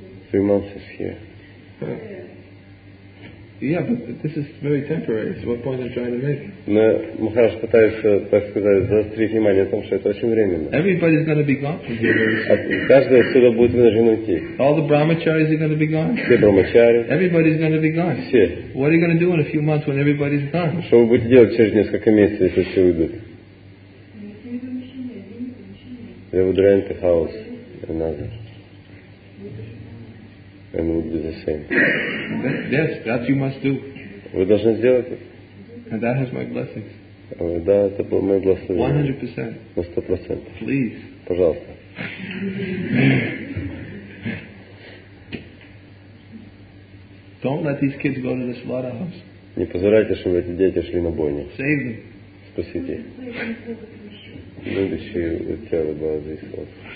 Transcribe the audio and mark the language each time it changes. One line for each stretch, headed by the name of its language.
English: Three months is here. Yeah, but this is very temporary. So what point I'm trying to make?
Russian: Но Махарадж пытается, так сказать, заострить внимание на том, что это очень временно.
English: Everybody's going to be gone from here.
Russian: Каждый отсюда будет вынужден уйти.
English: All the brahmacharis are going to be gone.
Russian: Все брахмачари.
English: Everybody's going to be gone.
Russian: Все.
English: What are you going to do in a few months when everybody's gone?
Russian: Что вы будете делать через несколько месяцев, если все уйдут?
English: We would rent the house another. And it would be the same. Yes, that you must do.
Russian: Вы должны сделать это.
English: And that has my blessings.
Russian: Да, это было мое благословение.
English: 100%.
Russian: На 100%.
English: Please.
Russian: Пожалуйста.
English: Don't let these kids go to the slaughterhouse.
Russian: Не позволяйте, чтобы эти дети шли на бойню.
English: Save them.
Russian: Спасите. Любящие у тебя была здесь вот.